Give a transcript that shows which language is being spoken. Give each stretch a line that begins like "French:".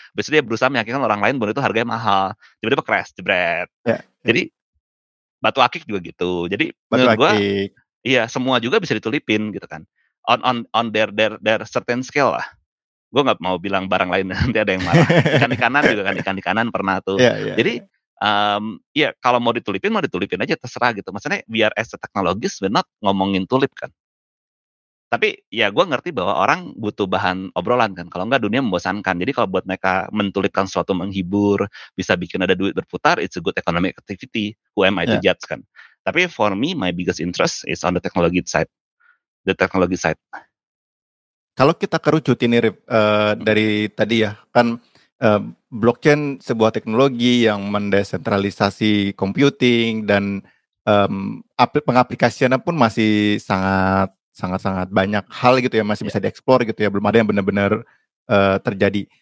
Indonesian: Habis itu dia berusaha meyakinkan orang lain bahwa itu harganya mahal. Tiba-tiba crash, jebret. Jadi batu akik juga gitu. Jadi menurut gua iya, semua juga bisa ditulipin gitu kan.
English: On their certain scale
Indonesian: lah. Gua enggak mau bilang barang lain nanti ada yang marah. Ikan-ikanan juga kan, ikan-ikanan pernah tuh. Jadi kalau mau ditulipin aja terserah gitu.
English: Maksudnya we are as a technologist, we're not
Indonesian: ngomongin tulip kan. Tapi ya gue ngerti bahwa orang butuh bahan obrolan kan. Kalau enggak dunia membosankan. Jadi kalau buat mereka mentulipkan sesuatu menghibur, bisa bikin ada duit berputar,
English: it's a good economic activity. Who am I to judge
Indonesian: kan.
English: Tapi for me, my biggest interest is on the technology side. The technology side.
Indonesian: Kalau kita kerucutin nih, dari tadi ya, kan blockchain sebuah teknologi yang mendesentralisasi computing dan pengaplikasiannya pun masih sangat-sangat banyak hal gitu ya, masih bisa dieksplor gitu ya, belum ada yang benar-benar terjadi.